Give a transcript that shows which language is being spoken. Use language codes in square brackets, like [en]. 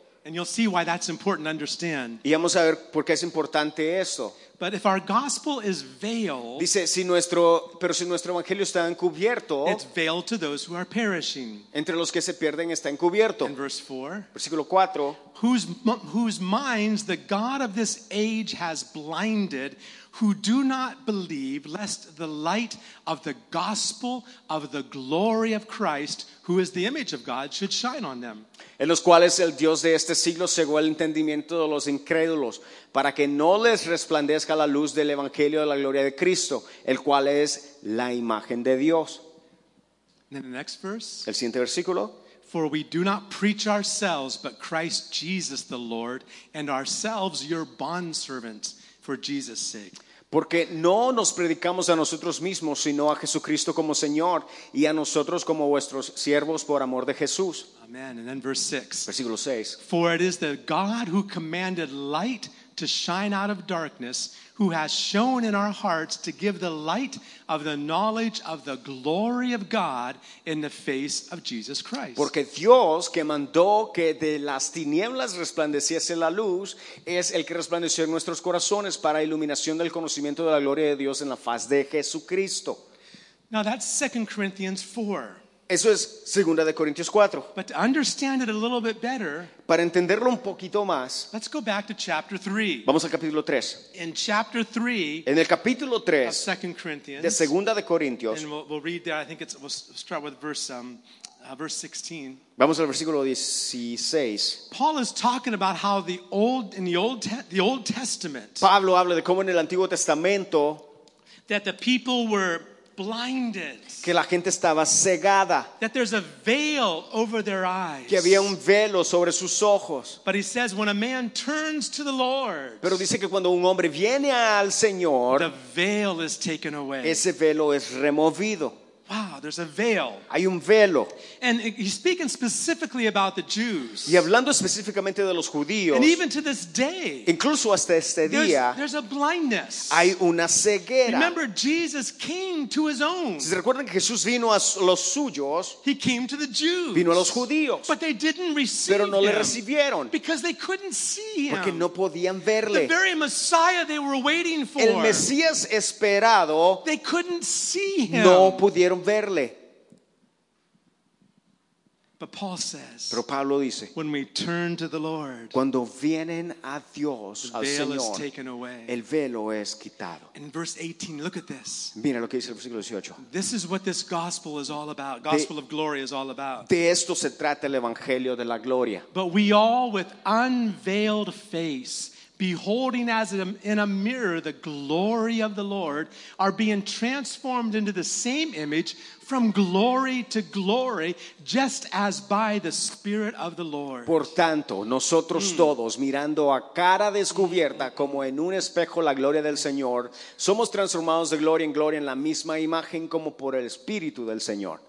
[en] And you'll see why that's important to understand. [es] Y vamos a ver por qué es importante eso. [en] But if our gospel is veiled, [es] dice, si nuestro evangelio está encubierto, [en] it's veiled to those who are perishing. [es] Entre los que se pierden está encubierto. [en] In verse 4, [es] versículo 4, [en] whose minds the God of this age has blinded, who do not believe, lest the light of the gospel of the glory of Christ, who is the image of God, should shine on them. [es] En los cuales el Dios de este siglo cegó el entendimiento de los incrédulos, para que no les resplandezca la luz del Evangelio de la gloria de Cristo, el cual es la imagen de Dios. [en] Then the next verse. [es] El siguiente versículo. [en] For we do not preach ourselves, but Christ Jesus the Lord, and ourselves your bondservants for Jesus' sake. [es] Porque no nos predicamos a nosotros mismos, sino a Jesucristo como Señor, y a nosotros como vuestros siervos por amor de Jesús. [en] Amen. And then verse 6. [es] Versículo 6. [en] For it is the God who commanded light to shine out of darkness, who has shown in our hearts to give the light of the knowledge of the glory of God in the face of Jesus Christ. [es] Porque Dios que mandó que de las tinieblas resplandeciese la luz es el que resplandeció en nuestros corazones para iluminación del conocimiento de la gloria de Dios en la faz de Jesucristo. [en] Now that's 2 Corinthians 4. [es] Eso es Segunda de Corintios 4. [en] But to understand it a little bit better, [es] para entenderlo un poquito más, [en] let's go back to chapter 3. [es] Vamos al capítulo 3. [en] In chapter 3, [es] en el capítulo 3 [en] of 2 Corinthians, [es] de Segunda de Corintios, [en] and we'll read there, I think it's, we'll start with verse 16. [es] Vamos al versículo 16. [en] Paul is talking about how the Old Testament, [es] Pablo habla de cómo en el Antiguo Testamento, [en] that the people were blinded, [es] que la gente estaba cegada, [en] that there's a veil over their eyes, [es] que había un velo sobre sus ojos. [en] But he says when a man turns to the Lord, [es] pero dice que cuando un hombre viene al Señor, [en] the veil is taken away, [es] ese velo es removido. [en] Wow, there's a veil. [es] Hay un velo. [en] And he's speaking specifically about the Jews. [es] Y hablando específicamente de los judíos. [en] And even to this day, [es] incluso hasta este día, [en] there's a blindness. [es] Hay una ceguera. [en] Remember, Jesus came to his own. [es] Si se recuerdan que Jesús vino a los suyos. [en] He came to the Jews. [es] Vino a los judíos. [en] But they didn't receive him. [es] Pero no [en] him [es] le recibieron. [en] Because they couldn't see him. [es] Porque no podían verle. [en] The very Messiah they were waiting for. [es] El Mesías esperado. [en] They couldn't see him. [es] No pudieron verle. [en] But Paul says, [es] pero Pablo dice, [en] when we turn to the Lord, [es] cuando vienen a Dios, al [en] Señor, the veil is taken away. [es] El velo es quitado. [en] In verse 18, look at this. [es] Mira lo que dice el versículo 18. [en] This is what this gospel is all about. Gospel of glory is all about. [es] De esto se trata el evangelio de la gloria. [en] But we all with unveiled face, beholding as in a mirror the glory of the Lord, are being transformed into the same image from glory to glory, just as by the Spirit of the Lord. [es] Por tanto, nosotros todos, mirando a cara descubierta como en un espejo la gloria del Señor, somos transformados de gloria en gloria en la misma imagen como por el Espíritu del Señor.